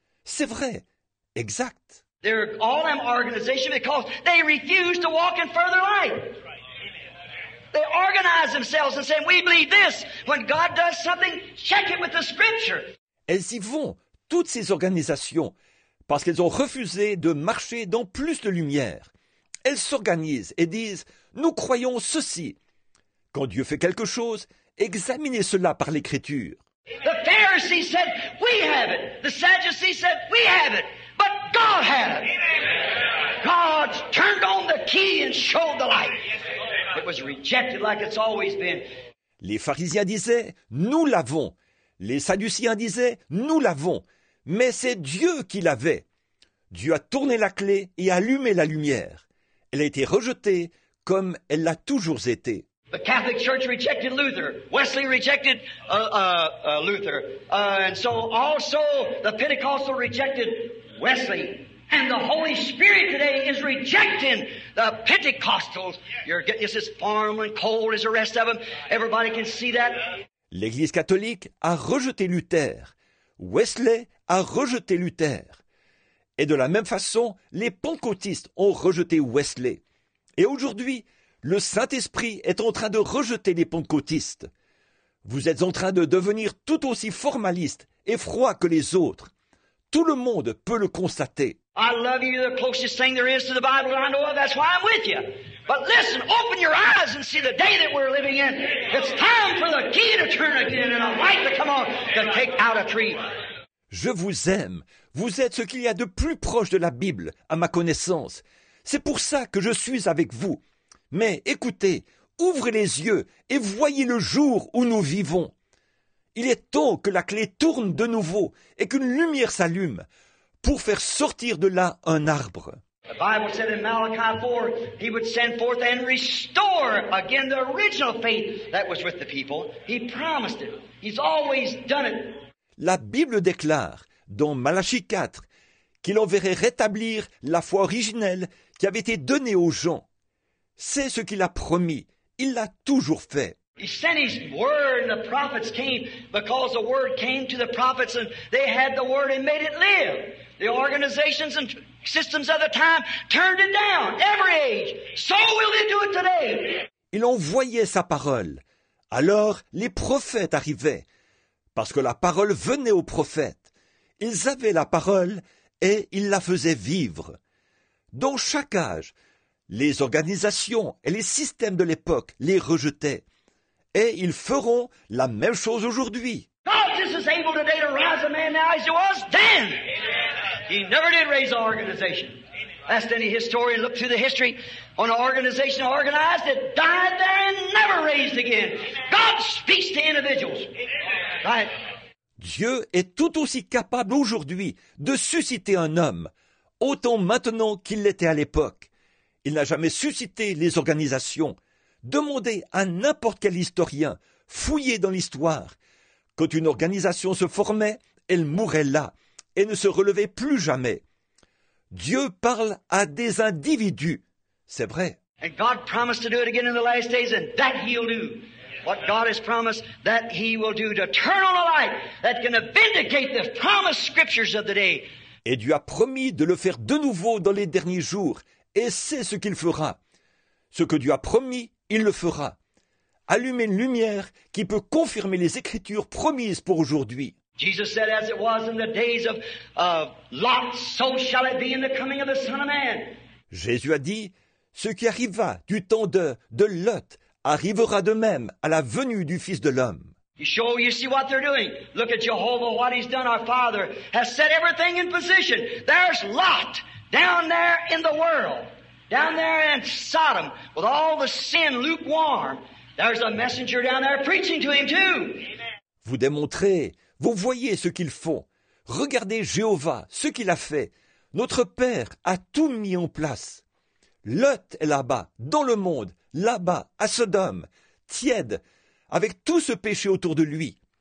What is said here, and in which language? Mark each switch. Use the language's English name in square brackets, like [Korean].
[French] C'est vrai, exact. [English] They're all them organizations because they refuse to walk in further light. They organize themselves and say, we believe this. When God does something, check it with the scripture. [French] Elles y vont, toutes ces organisations, parce qu'elles ont refusé de marcher dans plus de lumière. Elles s'organisent et disent, nous croyons ceci. Quand Dieu fait quelque chose, examinez cela par l'écriture. [English] The Pharisees said, we have it. The Sadducees said, we have it. But God had it. God turned on the key and showed the light. It was rejected like it's always been. [French] Les pharisiens disaient, nous l'avons. Les Sadducéens disaient, nous l'avons. Mais c'est Dieu qui l'avait. Dieu a tourné la clé et allumé la lumière. Elle a été rejetée comme elle l'a toujours été. [English] The Catholic Church rejected Luther. Wesley rejected Luther. And so also the Pentecostal rejected Wesley. And the Holy Spirit today is rejecting the Pentecostals. You're getting this as formal and cold as the rest of them. Everybody can see that. [French] L'Église catholique a rejeté Luther. Wesley a rejeté Luther. Et de la même façon, les pentecôtistes ont rejeté Wesley. Et aujourd'hui, le Saint-Esprit est en train de rejeter les pentecôtistes. Vous êtes en train de devenir tout aussi formaliste et froid que les autres. Tout le monde peut le constater. [English] I love you, the closest thing there is to the Bible that I know of, that's why I'm with you. But listen, open your eyes and see the day that we're living in. It's time for the key to turn again and a light to come on to take out a tree. [French] Je vous aime. Vous êtes ce qu'il y a de plus proche de la Bible, à ma connaissance. C'est pour ça que je suis avec vous. Mais écoutez, ouvrez les yeux et voyez le jour où nous vivons. Il est temps que la clé tourne de nouveau et qu'une lumière s'allume pour faire sortir de là un arbre. La Bible dit dans Malachi 4, il [English] would send forth and restore again the original faith that was with the people. He promised it. He's always done it. [French] La Bible déclare, dans Malachie 4, qu'il enverrait rétablir la foi originelle qui avait été donnée aux gens. C'est ce qu'il a promis. Il l'a toujours fait. [English] He sent his word and the prophets came because the word came to the prophets and they had the word and made it live. The organizations and systems of the time turned it down, every age. So will they do it today. [French] Il envoyait sa parole. Alors les prophètes arrivaient. Parce que la parole venait aux prophètes. Ils avaient la parole et ils la faisaient vivre. Dans chaque âge, les organisations et les systèmes de l'époque les rejetaient. Et ils feront la même chose aujourd'hui. [English] God just is able today to raise a man now as he was then. He never did raise an organization. Ask any historian, look through the history on an organization organized that died there and never raised again. God speaks to individuals. Right? [French] Dieu est tout aussi capable aujourd'hui de susciter un homme, autant maintenant qu'il l'était à l'époque. Il n'a jamais suscité les organisations. Demandez à n'importe quel historien, fouillez dans l'histoire. Quand une organisation se formait, elle mourait là et ne se relevait plus jamais. Dieu parle à des individus, c'est vrai. [English] And God promised to do it again in the last days, and that he'll do. What God has promised, that he will do, to turn on a light that can vindicate the promised scriptures of the day. [French] Et Dieu a promis de le faire de nouveau dans les derniers jours, et c'est ce qu'il fera. Ce que Dieu a promis, il le fera. Allumer une lumière qui peut confirmer les écritures promises pour aujourd'hui. [English] Jesus said, as it was in the days of Lot, so shall it be in the coming of the Son of Man. [French] Jésus a dit, ce qui arriva du temps de Lot arrivera de même à la venue du Fils de l'homme. [English] You see what they're doing. Look at Jehovah, what he's done. Our Father has set everything in position. There's Lot down there in the world, down there in Sodom, with all the sin lukewarm. There's a messenger down there preaching to him too. [French] Vous démontrez, vous voyez ce qu'ils font. Regardez Jéhovah, ce qu'il a fait. Notre Père a tout mis en place. Lot est là-bas, dans le monde, là-bas, à Sodome, tiède, avec tout ce péché autour de lui.